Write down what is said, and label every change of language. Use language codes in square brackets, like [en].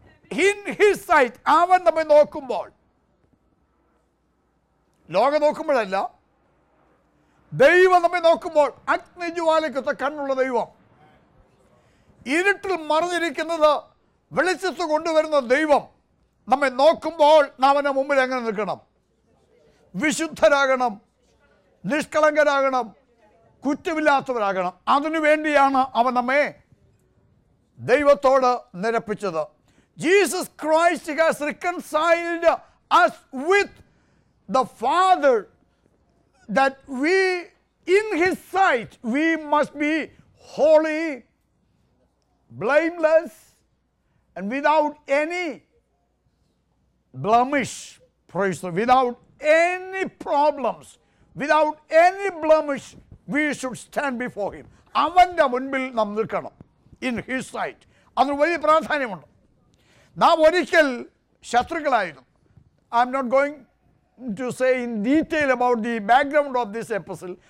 [en] In his sight, [ml] അവൻ നമ്മെ നോക്കുമ്പോൾ, ലോകം നോക്കുമ്പോഴല്ല, ദൈവം നമ്മെ നോക്കുമ്പോൾ, അഗ്നിജ്വാലയ്ക്കൊത്ത കണ്ണുള്ള ദൈവം, ഇരുട്ടിൽ മറിഞ്ഞിരിക്കുന്നത് വെളിച്ചത്ത് കൊണ്ടുവരുന്ന ദൈവം നമ്മെ നോക്കുമ്പോൾ നാം അവൻ്റെ മുമ്പിൽ എങ്ങനെ നിൽക്കണം? വിശുദ്ധരാകണം, നിഷ്കളങ്കരാകണം, കുറ്റമില്ലാത്തവരാകണം. അതിനുവേണ്ടിയാണ് അവൻ നമ്മെ ദൈവത്തോട് നിരപ്പിച്ചത്. [en] Jesus Christ has reconciled us with the Father that we, in His sight, we must be holy, blameless, and without any blemish, praise the Lord, without any problems, without any blemish, we should stand before Him. [ml] അവൻ്റെ മുൻപിൽ നാം നിൽക്കണം, [en] in His sight. [ml] അതിന് വലിയ പ്രാധാന്യമുണ്ട്. നാം ഒരിക്കൽ ശത്രുക്കളായിരുന്നു. [en] I'm not going to say in detail about the background of this epistle.